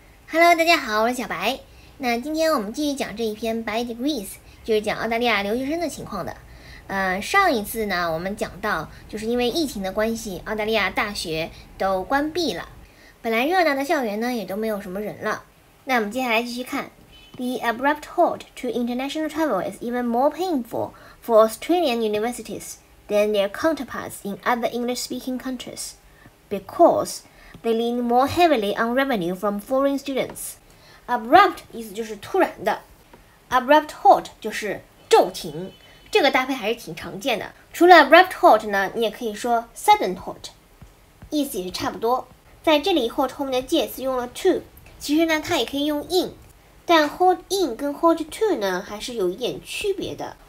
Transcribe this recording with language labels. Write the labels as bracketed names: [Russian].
[Chinese] Hello， 大家好，我是小白。那今天我们继续讲这一篇 By Degrees， 就是讲澳大利亚留学生的情况的。上一次呢，我们讲到就是因为疫情的关系，澳大利亚大学都关闭了，本来热闹的校园呢也都没有什么人了。那我们接下来继续看。 [English] The abrupt halt to international travel is even more painful for Australian universities than their counterparts in other English-speaking countries, because they lean more heavily on revenue from foreign students. [Chinese] Abrupt 意思就是突然的， abrupt halt 就是骤停，这个搭配还是挺常见的。除了 abrupt halt 呢，你也可以说 sudden halt， 意思也是差不多。在这里 halt 后面的介词用了 to， 其实呢它也可以用 in， 但 halt in 跟 halt to 呢还是有一点区别的。